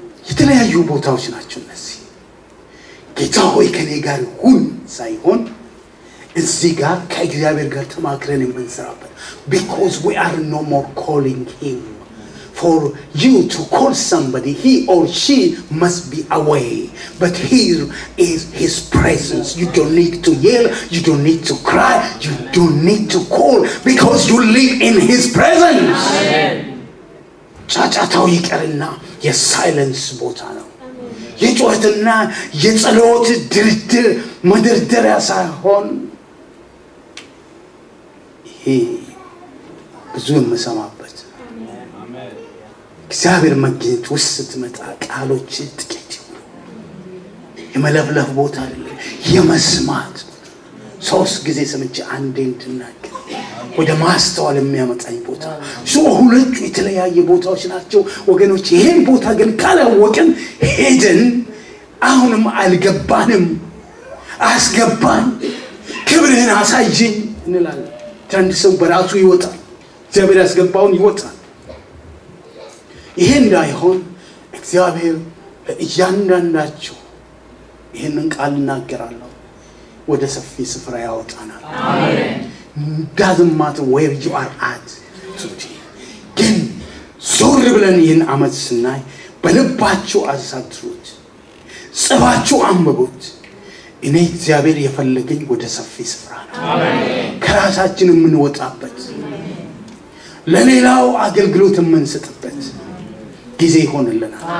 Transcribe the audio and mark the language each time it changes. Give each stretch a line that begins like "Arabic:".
Amharic: የተለያዩ ቦታዎች ናቸው እነዚህ። ጌታ ሆይ ከኔ ጋር ሁን ሳይሆን እዚህ ጋር ከእግዚአብሔር ጋር ተማክረን የምንሰራበት
English: because we are no more calling him. For you to call somebody, he or she must be away. But here is his presence. You don't need to yell. You don't need to cry. You don't need to call because you live in his presence.
Amharic: ጫጫታው ይቀርና የሳይለንስ ቦታ ነው። የጩኸትና የጸሎት ድርድር መደርደሪያ ሳይሆን ይሄ ብዙ የምሰማ እግዚአብሔር መገኘት ውስጥ መጣ። ቃሎች ጥቂት ይሁን የመለፍለፍ ቦታ አይደለም፣ የመስማት ሶስት ጊዜ ሰምቼ አንዴ እንድናገር ወደ ማስተዋል የሚያመጣኝ ቦታ። ሶ ሁለቱ የተለያየ ቦታዎች ናቸው ወገኖች። ይሄን ቦታ ግን ካላወቅን ሄደን አሁንም አልገባንም። አስገባን፣ ክብርህን አሳየኝ እንላለን። ትንድ ሰው በራሱ ይወጣል፣ እግዚአብሔር ያስገባውን ይወጣል። ይሄን ዳይሆን እግዚአብሔር እያንዳንዳችሁ ይሄንን ቃል እናገራለሁ ወደ ሰፊ ስፍራ ያወጣናል። አሜን።
English: Doesn't matter where you are at today.
Amharic: ግን ዞር ብለን ይሄን አመት ስናይ በልባችሁ አሳድሩት፣ ጽፋችሁ አንብቡት። እኔ እግዚአብሔር የፈለገኝ ወደ ሰፊ ስፍራ ነው። አሜን። ከራሳችን ምን ወጣበት ለሌላው አገልግሎት ምን ሰጠበት ጊዜ ሆነልና።